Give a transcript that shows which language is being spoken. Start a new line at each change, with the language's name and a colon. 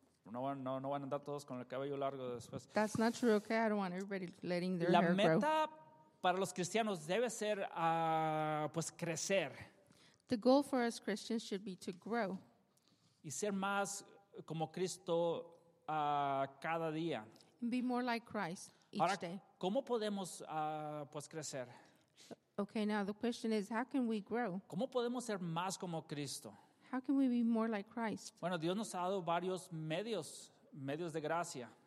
Spanish: No van a andar todos con el cabello largo después.
English: That's not true, okay? I don't want everybody letting their la hair grow.
Spanish: La meta para los cristianos debe ser, pues, crecer.
English: The goal for us Christians should be to grow.
Spanish: Y ser más como Cristo cada día.
English: Be more like Christ each
Spanish: Ahora,
English: day.
Spanish: ¿Cómo podemos, pues, crecer?
English: Okay, now the question is, how can we grow?
Spanish: ¿Cómo podemos ser más como Cristo?
English: How can we be more like Christ?
Spanish: Bueno, Dios nos ha dado varios medios de gracia.